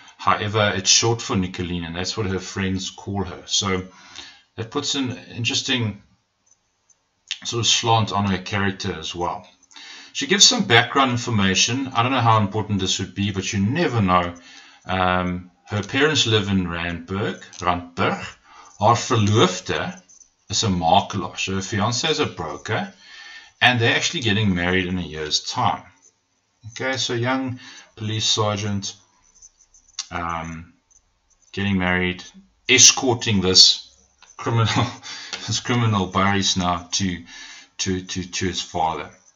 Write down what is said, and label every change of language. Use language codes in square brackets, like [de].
[en] However, it's short for Nicoline, and that's what her friends call her. So that puts an interesting sort of slant on her character as well. She gives some background information. I don't know how important this would be, but you never know. Her parents live in Randburg. [nl] Haar verloofde is a makelaar. [en] So her fiance is a broker. And they're actually getting married in a year's time. Okay, so young police sergeant getting married, escorting this criminal, this criminal Baris now to his father.